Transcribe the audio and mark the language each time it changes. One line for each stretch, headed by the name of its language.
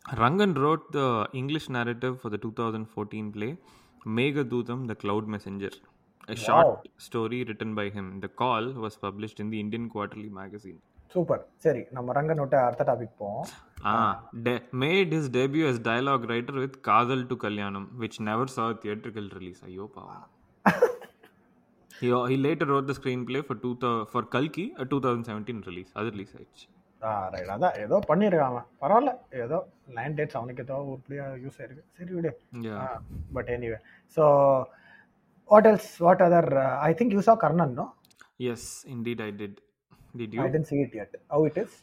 English: Rangan wrote the English narrative for the 2014 play Meghadutam, the Cloud Messenger. A short story written by him. The Call was published in the Indian Quarterly Magazine. Super.
Tamil: சரி, நம்ம ரங்கன் ஓட அடுத்த topic போவோம்.
English: Made his debut as dialogue writer with Kadhal to Kalyanam, which never saw theatrical release.
Tamil: ஐயோ பாவம்.
English: He later wrote the screenplay for Kalki, a 2017 release.
Tamil: அது release ஆயிடுச்சு. Right, அதான் ஏதோ பண்ணியிருக்காங்க பரவாயில்ல. ஏதோ லேண்ட் டேட்ஸ் அவனுக்கு ஏதோ அப்படியே யூஸ் ஆயிருக்கு. சரி விடு.
English: But anyway, so what else, what other I think you saw Karnan, no? Yes, indeed I did. Did you? I didn't see it yet. How it is?